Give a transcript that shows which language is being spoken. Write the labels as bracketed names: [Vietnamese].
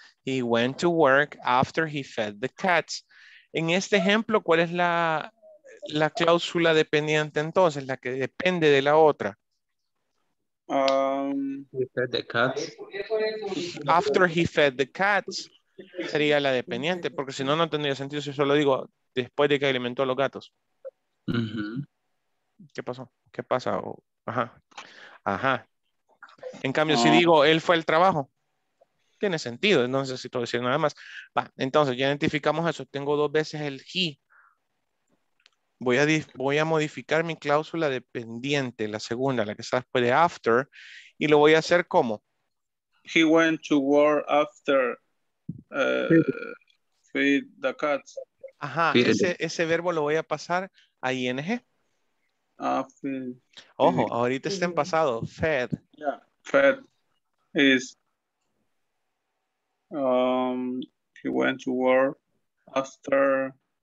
[English] He went to work after he fed the cats. [Spanish] En este ejemplo, ¿cuál es la cláusula dependiente entonces? La que depende de la otra. [English] He fed the cats. After he fed the cats [Spanish] sería la dependiente, porque si no, no tendría sentido si solo digo después de que alimentó a los gatos. ¿Qué pasó? ¿Qué pasa? Oh, ajá. En cambio, si digo él fue al trabajo, tiene sentido. No necesito decir nada más. Va, entonces ya identificamos eso. Tengo dos veces el he. Voy a modificar mi cláusula dependiente, la segunda, la que está después de after, y lo voy a hacer como. [English] He went to war after feed the cats. [Spanish] Ajá, ese verbo lo voy a pasar a ing. Ojo, ahorita está en pasado, fed. [English] Yeah, fed is. He went to war after.